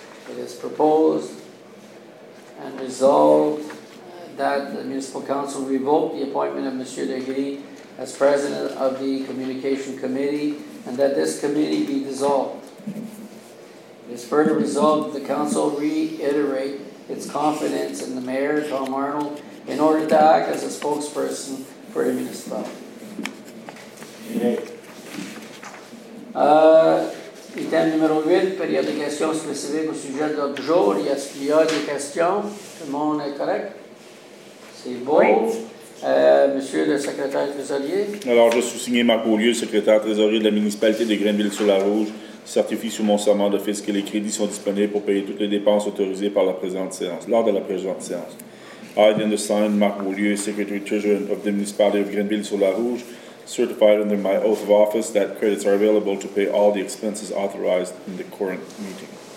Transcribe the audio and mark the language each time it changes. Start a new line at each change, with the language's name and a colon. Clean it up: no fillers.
English: It is proposed and resolved that the municipal council revoke the appointment of Monsieur Legris as president of the communication committee and that this committee be dissolved. It is further resolved that the council reiterate its confidence in the mayor, Tom Arnold, in order to act as a spokesperson for the municipality.
French: Item numéro 8, période de questions spécifiques au sujet de l'autre jour. Est-ce qu'il y a des questions? Tout le monde est correct? C'est beau. Oui. Monsieur le secrétaire trésorier. Alors, je suis signé Marc Beaulieu, secrétaire trésorier de la municipalité de Grenville-sur-la-Rouge. Certifie sous mon serment d'office que les crédits sont disponibles pour payer toutes les dépenses autorisées par la présente séance, lors de la présente séance.
English: I, then the signed Marc Beaulieu, secretary treasurer of the municipality of Grenville-sur-la-Rouge. Certified under my oath of office that credits are available to pay all the expenses authorized in the current meeting.